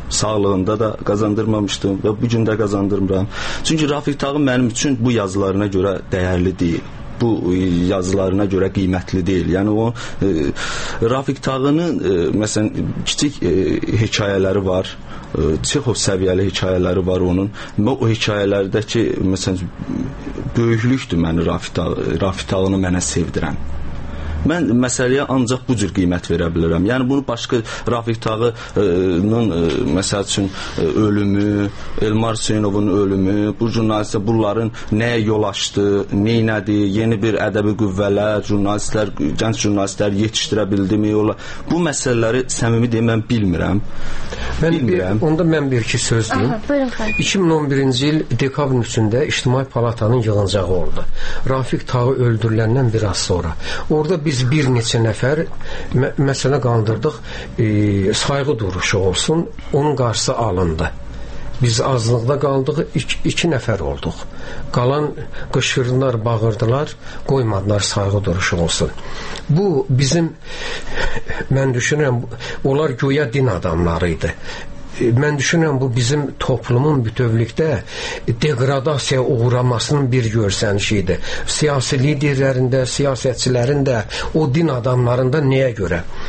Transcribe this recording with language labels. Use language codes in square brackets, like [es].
[tr] sağlığında da kazandırmamıştım ve bugün de kazandırmıram. Çünkü Rafiq Tağım benim için bu yazılarına göre değerli değil. Bu yazılarına göre kıymetli değil. Yani o Rafiq Tağının mesela küçük hikayeleri var. [az] Çexov səviyyəli hikayeleri var onun. Mən o hikayelerdeki mesela böyüklükdür məni Rafiq Tağını mənə sevdirən. Mən məsələyə ancaq bu cür qiymət verə bilirəm. Yəni bunu başqa Rafiq Tağının məsəl üçün ölümü, Elmar Hüseynovun ölümü, bu jurnalistə bunların nəyə yol açdı, neynədi, yeni bir ədəbi qüvvələr, jurnalistlər, gənc jurnalistlər yetişdirə bildimi? Bu məsələləri səmimi deyim, mən bilmirəm. Onda mən bir iki söz deyim. Aha, buyurun, xanım. 2011-ci il dekabrın 3-də İctimai Palatanın yığıncağı oldu. Rafiq Tağı öldürüləndən bir az sonra. Orada biz bir neçə nəfər məsələ qaldırdıq, sayğı duruşu olsun, onun qarşısı alındı. Biz azlıqda qaldıq, iki nəfər olduq. Qalan qışqırdılar, bağırdılar, qoymadılar sayğı duruşu olsun. Bu bizim, mən düşünürəm, onlar güya din adamlarıydı. Mən düşünürəm, bu bizim toplumun bütövlükdə deqradasiya uğramasının bir görsənişidir. Siyasi liderlərində, siyasətçilərində, o din adamlarında nəyə görə?